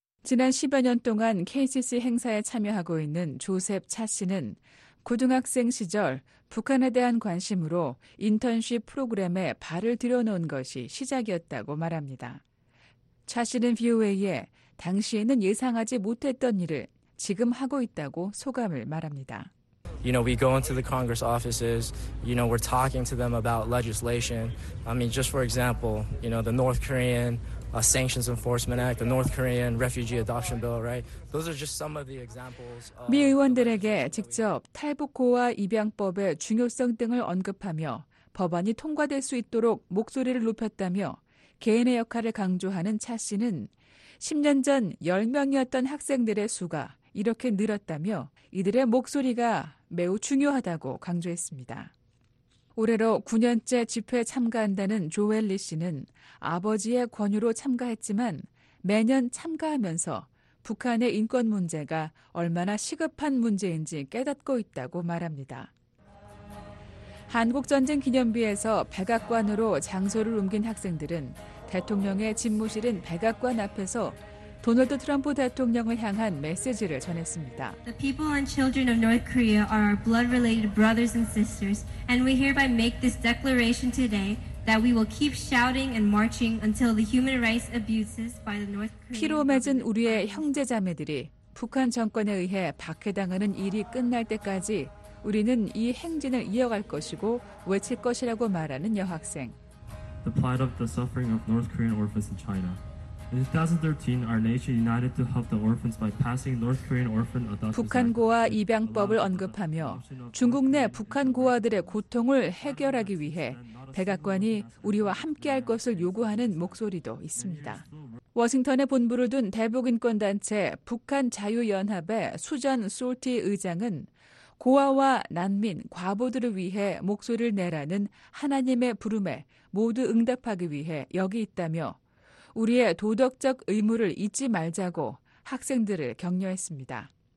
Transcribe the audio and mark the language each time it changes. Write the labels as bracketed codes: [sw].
[ko] 지난 10여 년 동안 KCC 행사에 참여하고 있는 조셉 차 씨는 고등학생 시절 북한에 대한 관심으로 인턴십 프로그램에 발을 들여놓은 것이 시작이었다고 말합니다. 차 씨는 VOA에 당시에는 예상하지 못했던 일을 지금 하고 있다고 소감을 말합니다. [en] You know, we go into the Congress offices, you know, we're talking to them about legislation. I mean, just for example, you know, the North Korean Sanctions Enforcement Act, the North Korean Refugee Adoption Bill, right? Those are just some of the examples. [ko] 미 의원들에게 직접 탈북 고아 입양법의 중요성 등을 언급하며 법안이 통과될 수 있도록 목소리를 높였다며 개인의 역할을 강조하는 차 씨는 10년 전 10명이었던 학생들의 수가 이렇게 늘었다며 이들의 목소리가 매우 중요하다고 강조했습니다. 올해로 9년째 집회에 참가한다는 조엘리 씨는 아버지의 권유로 참가했지만 매년 참가하면서 북한의 인권 문제가 얼마나 시급한 문제인지 깨닫고 있다고 말합니다. 한국전쟁 기념비에서 백악관으로 장소를 옮긴 학생들은 대통령의 집무실인 백악관 앞에서 도널드 트럼프 대통령을 향한 메시지를 전했습니다. [en] The people and children of North Korea are our blood-related brothers and sisters, and we hereby make this declaration today that we will keep shouting and marching until the human rights abuses by the North Korean [ko] 피로 맺은 우리의 형제자매들이 북한 정권에 의해 박해당하는 일이 끝날 때까지 우리는 이 행진을 이어갈 것이고 외칠 것이라고 말하는 여학생. [en] The plight of the suffering of North Korean orphans in China. In 2013, our nation united to help the orphans by passing North Korean orphan adoption. [ko] 북한 고아 입양법을 언급하며 중국 내 북한 고아들의 고통을 해결하기 위해 백악관이 우리와 함께할 것을 요구하는 목소리도 있습니다. 워싱턴에 본부를 둔 대북인권단체 북한자유연합의 수잔 솔티 의장은 고아와 난민, 과보들을 위해 목소리를 내라는 하나님의 부름에 모두 응답하기 위해 여기 있다며 우리의 도덕적 의무를 잊지 말자고 학생들을 격려했습니다.